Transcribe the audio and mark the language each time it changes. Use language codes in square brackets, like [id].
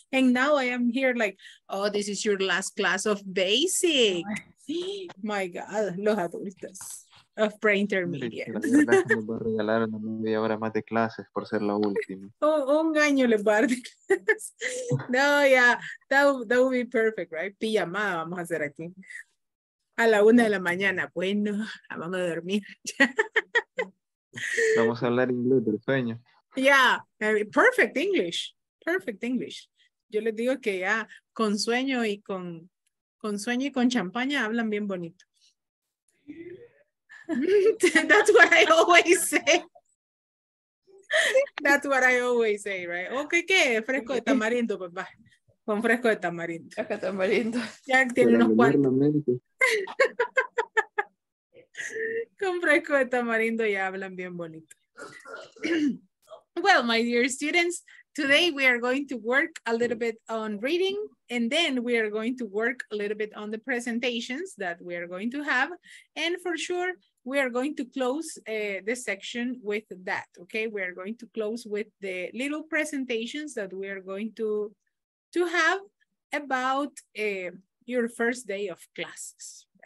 [en] And now I am here like, oh, this is your last class of basic. My God, [es] los adultos [en] of pre-intermediate. [es] La verdad que me voy a regalar una media hora más de clases por ser la última. [en] Oh, [es] un año le va a dar. [en] No, yeah, that would be perfect, right? [es] Pijamada vamos a hacer aquí. A la 1 de la mañana. Bueno, vamos a dormir. Vamos a hablar inglés del sueño. [en] Yeah, perfect English. Perfect English. [es] Yo les digo que ya con sueño y con sueño y con champaña hablan bien bonito. [en] That's what I always say. That's what I always say, right? Okay, ¿qué? [es] Fresco de tamarindo, papá. Con fresco de tamarindo. Acá tamarindo. Ya tiene unos cuantos. Con fresco de tamarindo ya hablan bien bonito. [en] Well, my dear students, today we are going to work a little bit on reading, and then we are going to work a little bit on the presentations that we are going to have, and for sure we are going to close the section with that. Okay, we are going to close with the little presentations that we are going to have about your first day of classes.